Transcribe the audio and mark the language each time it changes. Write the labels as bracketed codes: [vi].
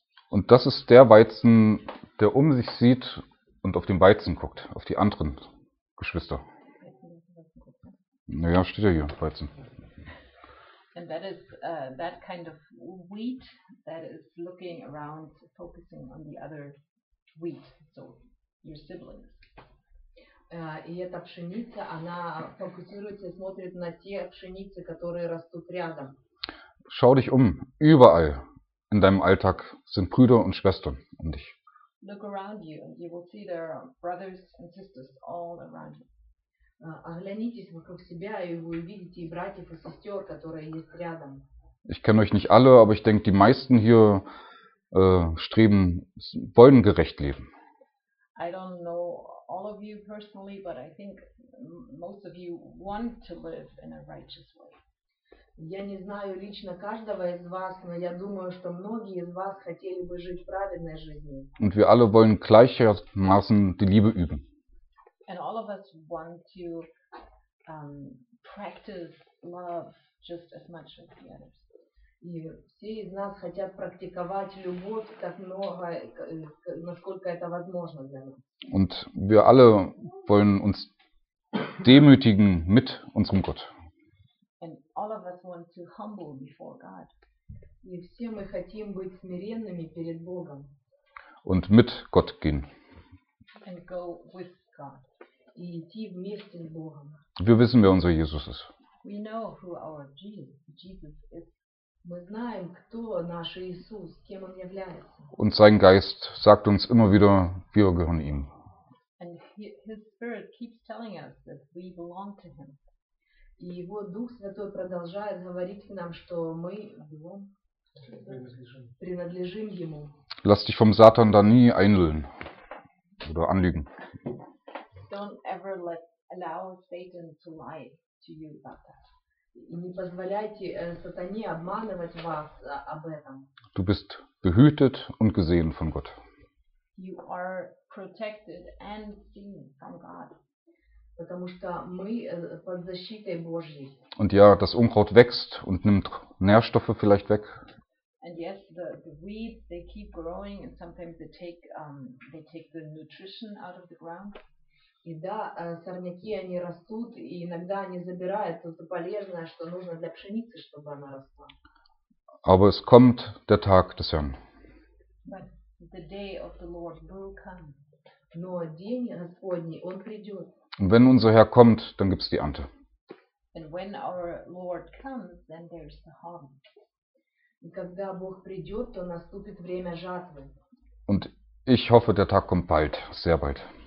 [de] Und das ist der Weizen, der um sich sieht und auf den Weizen guckt, auf die anderen Geschwister. Naja, steht ja hier, Weizen. [en] And that is that kind of wheat that is looking around, focusing on the other wheat. So. Your siblings. [ru] И эта пшеница, она фокусируется, смотрит на те пшеницы, которые растут рядом. [de] Schau dich um. Überall in deinem Alltag sind Brüder und Schwestern um dich. [en] Look around you and you will see there are brothers and sisters all around you. [ru] Оглянитесь вокруг себя и вы увидите и братьев и сестер, которые есть рядом. [de] Ich kenne euch nicht alle, aber ich denke, die meisten hier streben, wollen gerecht leben. [en] I don't know all of you personally, but I think most of you want to live in a righteous way. [ru] Я не знаю лично каждого из вас, но я думаю, что многие из вас хотели бы жить праведной жизнью. [de] Und wir alle wollen gleichermaßen die Liebe üben. [en] And all of us want to practice love just as much as the others. [ru] И все из нас хотят практиковать любовь так много, насколько это возможно для нас. [de] Und wir alle wollen uns demütigen mit unserem Gott. [en] And all of us want to humble before God. [ru] И все мы хотим быть смиренными перед Богом. [de] Und mit Gott gehen. [en] And go with God. [ru] И идти вместе с Богом. [de] Wir wissen, wer unser Jesus ist. [en] We know who our Jesus is. [ru] Мы знаем, кто наш Иисус, кем он является. [de] Und sein Geist sagt uns immer wieder, wir gehören ihm. [en] And his spirit keeps telling us that we belong to him. [ru] И его Дух Святой продолжает говорить нам, что мы его принадлежим ему. [de] Lass dich vom Satan da nie einlullen oder anlügen. [en] Don't ever allow Satan to lie to you about that. [ru] И не позволяйте сатане обманывать вас об этом. [de] Du bist behütet und gesehen von Gott. [en] You are protected and seen from God. [ru] Потому что мы под защитой Божьей. [de] Und ja, das Unkraut wächst und nimmt Nährstoffe vielleicht weg. [en] And yes, the weeds, they keep growing and sometimes they take the nutrition out of the ground. [ru] И да, сорняки, они растут, и иногда они забирают то полезное, что нужно для пшеницы, чтобы она росла. [de] Aber es kommt der Tag des Herrn. [en] But the day of the Lord will come. [ru] Но день Господний, он придет. [de] Und wenn unser Herr kommt, dann gibt's die Ernte. [en] And when our Lord comes, then there's the harvest. [de] Und [ru] когда Бог придет, то наступит время жатвы. [de] Und ich hoffe, der Tag kommt bald, sehr bald.